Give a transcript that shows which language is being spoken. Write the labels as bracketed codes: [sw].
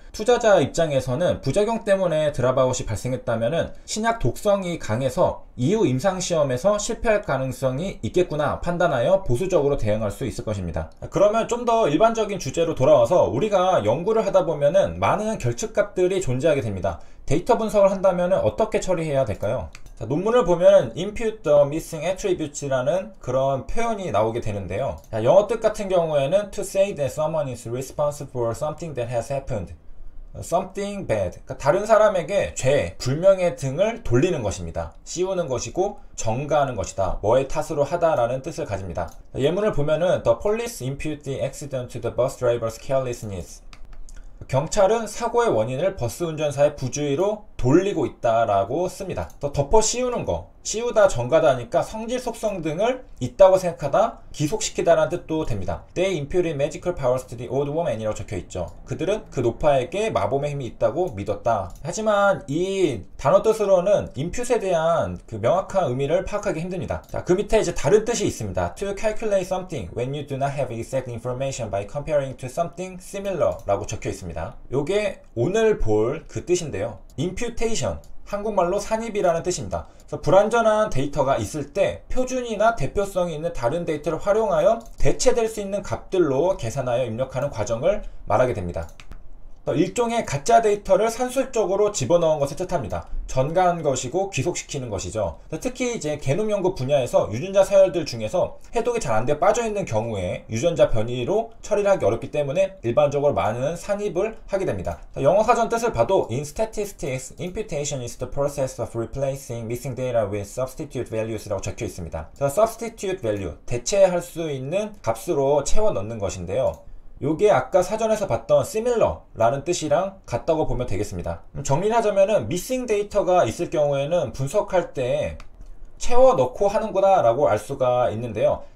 [ko] 투자자 입장에서는 부작용 때문에 드랍아웃이 발생했다면 신약 독성이 강해서 이후 임상시험에서 실패할 가능성이 있겠구나 판단하여 보수적으로 대응할 수 있을 것입니다. 그러면 좀더 일반적인 주제로 돌아와서 우리가 연구를 하다 보면 많은 결측값들이 존재하게 됩니다. 데이터 분석을 한다면 어떻게 처리해야 될까요? 자, 논문을 보면 [en] impute the missing attributes [ko] 라는 그런 표현이 나오게 되는데요. 자, 영어 뜻 같은 경우에는 [en] to say that someone is responsible for something that has happened. Something bad. [ko] 그러니까 다른 사람에게 죄, 불명예 등을 돌리는 것입니다. 씌우는 것이고 전가하는 것이다. 뭐의 탓으로 하다라는 뜻을 가집니다. 예문을 보면은 [en] The police impute the accident to the bus driver's carelessness. [ko] 경찰은 사고의 원인을 버스 운전사의 부주의로 돌리고 있다라고 씁니다. 또 덮어 씌우는 거, 씌우다 전가다니까 성질 속성 등을 있다고 생각하다 기속시키다라는 뜻도 됩니다. [en] They imputed magical powers to the old woman [ko] 이라고 적혀 있죠. 그들은 그 노파에게 마법의 힘이 있다고 믿었다. 하지만 이 단어 뜻으로는 impute에 대한 그 명확한 의미를 파악하기 힘듭니다. 자, 그 밑에 이제 다른 뜻이 있습니다. [en] To calculate something when you do not have exact information by comparing to something similar [ko] 라고 적혀 있습니다. 요게 오늘 볼그 뜻인데요. Imputation, 한국말로 산입이라는 뜻입니다. 그래서 불완전한 데이터가 있을 때 표준이나 대표성이 있는 다른 데이터를 활용하여 대체될 수 있는 값들로 계산하여 입력하는 과정을 말하게 됩니다. 일종의 가짜 데이터를 산술적으로 집어넣은 것을 뜻합니다. 전가한 것이고 귀속시키는 것이죠. 특히 이제 게놈 연구 분야에서 유전자 서열들 중에서 해독이 잘안 되어 빠져있는 경우에 유전자 변이로 처리를 하기 어렵기 때문에 일반적으로 많은 산입을 하게 됩니다. 영어 사전 뜻을 봐도 [en] In statistics, imputation is the process of replacing missing data with substitute values [ko] 라고 적혀 있습니다. Substitute value, 대체할 수 있는 값으로 채워 넣는 것인데요. 요게 아까 사전에서 봤던 similar라는 뜻이랑 같다고 보면 되겠습니다. 정리하자면은 missing 데이터가 있을 경우에는 분석할 때 채워 넣고 하는구나라고 알 수가 있는데요.